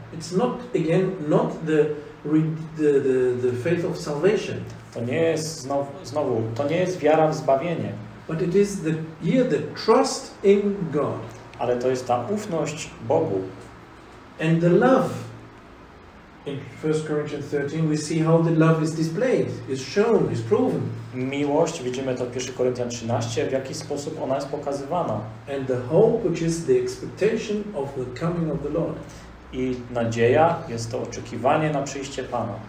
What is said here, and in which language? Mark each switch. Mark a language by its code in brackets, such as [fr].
[en] It's not again not the faith of salvation. [pl] To nie jest znowu to nie jest wiara w zbawienie. [en] But it is the trust in God. [pl] Ale to jest ta ufność Bogu. [en] And the love. In 1 Corinthians 13 we see how the love is displayed, is shown, is proven. [pl] Miłość, widzimy to w 1 Koryntian 13, w jaki sposób ona jest pokazywana. [en] And the hope, which is the expectation of the coming of the Lord. [pl] I nadzieja jest to oczekiwanie na przyjście Pana.